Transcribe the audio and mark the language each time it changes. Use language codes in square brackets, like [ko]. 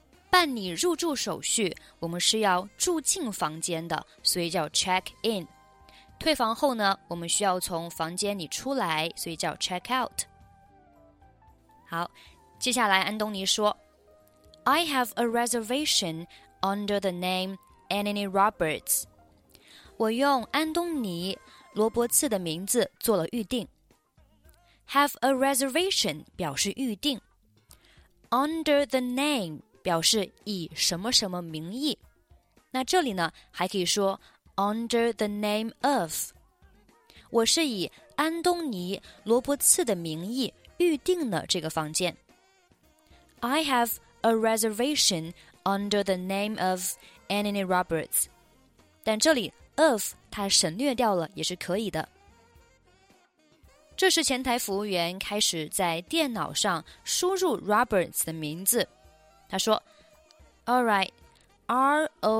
[zh] 办理入住手续我们是要住进房间的所以叫 check in 退房后呢我们需要从房间里出来所以叫 check out 好接下来安东尼说 [en] I have a reservation under the name Anthony Roberts. [zh] 我用安东尼·罗伯茨的名字做了预定。 [en] Have a reservation [zh] 表示预定。 [en] Under the name [zh] 表示以什么什么名义。那这里呢还可以说 [en] under the name of. [zh] 我是以安东尼·罗伯茨的名义预定了这个房间。 [en] I have a reservation under the name of Anthony Roberts. [zh] 但这里 of 它省略掉了也是可以的。这时前台服务员开始在电脑上输入 Roberts 的名字。他说 [en] Alright, R-O-B-E-R-T-S.